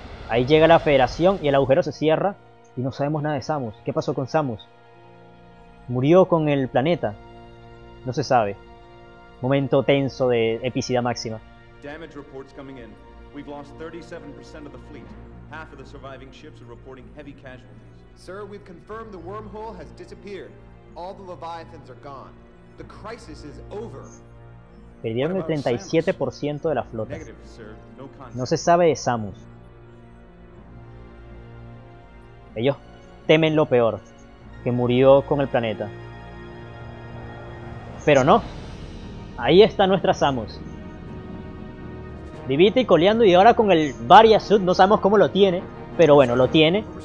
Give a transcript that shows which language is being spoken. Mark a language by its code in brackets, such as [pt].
[es] Ahí llega la Federación y el agujero se cierra y no sabemos nada de Samus. ¿Qué pasó con Samus? ¿Murió con el planeta? No se sabe. Momento tenso de epicidad máxima. [en] Damage reports coming in. We've lost 37% of the fleet. Half of the surviving ships are reporting heavy casualties. Sir, we've confirmed the wormhole has disappeared. All the Leviathans are gone. The crisis is over. [es] Perdieron el 37% de la flota. [en] Negative, sir. No contact. [es] No se sabe de Samus. Ellos temen lo peor, que murió con el planeta. Pero no. Ahí está nuestra Samus. Vivita y coleando, y ahora con el Varia Suit, no sabemos cómo lo tiene, pero bueno, lo tiene.